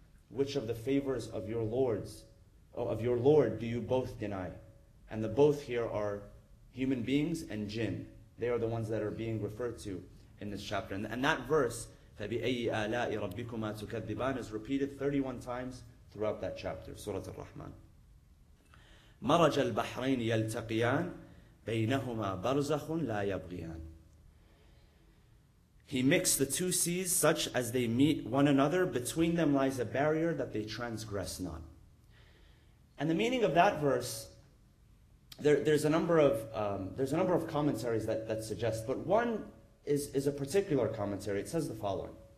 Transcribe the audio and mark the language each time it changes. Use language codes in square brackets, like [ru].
[en] Which of the favors of your Lords, of your Lord, do you both deny? And the both here are human beings and jinn. They are the ones that are being referred to in this chapter. And that verse, [ar] فَبِأَيِّ آلَاءِ رَبِّكُمَا تُكَذِّبَانِ, [en] is repeated 31 times throughout that chapter, Surah Ar-Rahman. [ar] مرج البحرين يلتقيان بينهما برزخ لا يبغيان. [en] He mixed the two seas such as they meet one another. Between them lies a barrier that they transgress not. And the meaning of that verse, there's a number of commentaries that suggest, but one is a particular commentary. It says the following.